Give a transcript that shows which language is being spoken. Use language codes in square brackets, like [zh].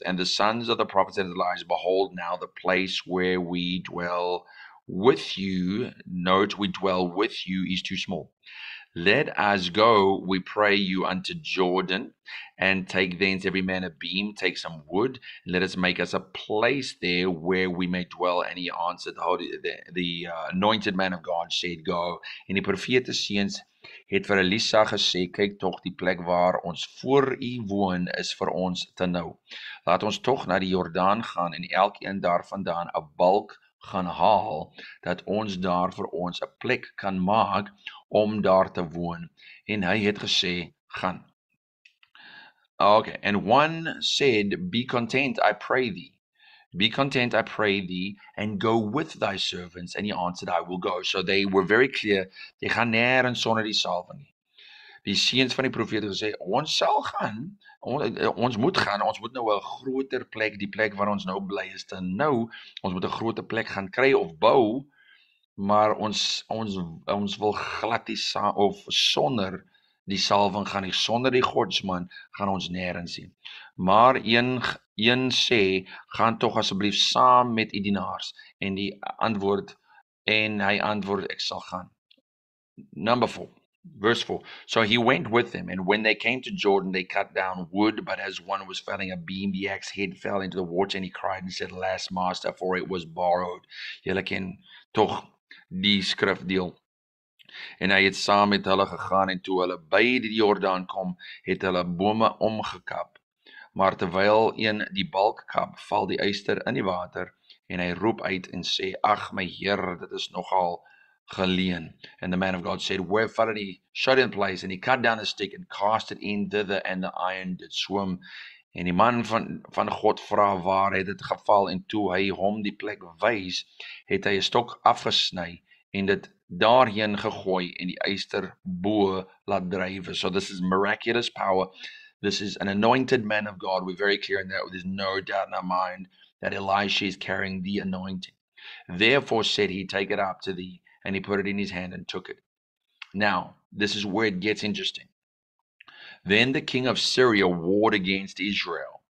[en] And the sons of the prophet said unto Elisha, behold, now the place where we dwell with you, note, we dwell with you is too small. Let us go, we pray you, unto Jordan, and take thence every man a beam, take some wood, and let us make us a place there where we may dwell. And he answered, the anointed man of God said, go. [af] En die profete seuns het vir Elisa gesê, kyk tog die plek waar ons voor u woon is vir ons te nou. Laat ons tog na die Jordaan gaan en elkeen daarvandaan 'n balk gaan haal dat ons daar vir ons 'n plek kan maak om daar te woon. En hy het gesê, gaan. [en] Okay, and one said, be content, I pray thee. Be content, I pray thee, and go with thy servants. And he answered, I will go. So they were very clear. [af] Jy gaan nêrens sonder die salwing nie. Die seuns van die profete gesê, ons sal gaan. Ons moet gaan, ons moet nou 'n groter plek, die plek waar ons nou bly is, dan nou, ons moet 'n groter plek gaan kry of bou, maar ons wil glad nie sa of sonder die salwing gaan nie, sonder die godsman gaan ons nêrens sien. Maar een sê, gaan tog asseblief saam met u dienaars en die antwoord en hy antwoord, ek sal gaan. [en] Number 4. Verse 4. So he went with them, and when they came to Jordan, they cut down wood. But as one was felling a beam, the axe head fell into the water, and he cried and said, "Alas, master, for it was borrowed." [af] Julle ken tog die skrifdeel. En hy het saam met hulle gegaan, en toe hulle by die Jordaan kom, het hulle bome omgekap. Maar terwyl een die balk kap, val die eyster in die water, en hy roep uit en sê, "Ag, my Here, dit is nogal geleen." [en] And the man of God said, wherefore did he shut in place? And he cut down a stick and cast it in thither, and the iron did swim. [af] En die man van God vra, waar het dit geval? En toe hy hom die plek wys, het hy 'n stok afgesny en dit daarheen gegooi en die eyster bo laat drywe. [en] So this is miraculous power. This is an anointed man of God. We're very clear in that. There's no doubt in our mind that Elisha is carrying the anointing. Therefore said he, take it up to thee. And he put it in his hand and took it. Now, this is where it gets interesting. Then the king of Syria warred against Israel.